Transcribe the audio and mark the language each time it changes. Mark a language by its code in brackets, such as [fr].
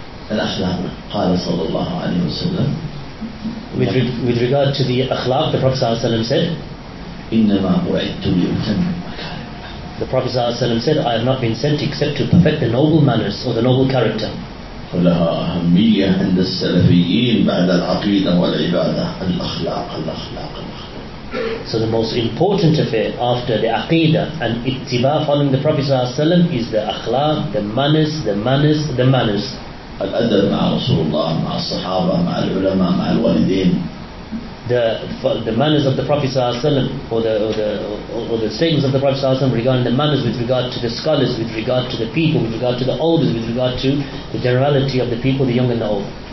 [ar] الأخلاق قال صلى الله عليه وسلم. [en] With regard to the أخلاق, the Prophet [ar] صلى الله عليه وسلم [en] said, [ar] إنما بعثت لأتمم مكارم. [en] The Prophet [ar] صلى الله عليه وسلم [en] said, I have not been sent except to perfect the noble manners or the noble character. [ar] فلها أهمية عند السلفيين بعد العقيدة والعبادة الأخلاق الأخلاق الأخلاق. [en] So the most important affair after the aqidah and ittiba following the Prophet [ar] sallallahu alaihi wasallam [en] is the akhlaq, the manners. [ar] Al-adab ma'a Rasulullah, ma'a sahaba, ma'a ulama, ma'a al-walidin. [en] The manners of the Prophet [ar] sallallahu alaihi wasallam [en] or the statements of the Prophet sallallahu alaihi wasallam regarding the manners with regard to the scholars, with regard to the people, with regard to the elders, with regard to the generality of the people, the young and the old.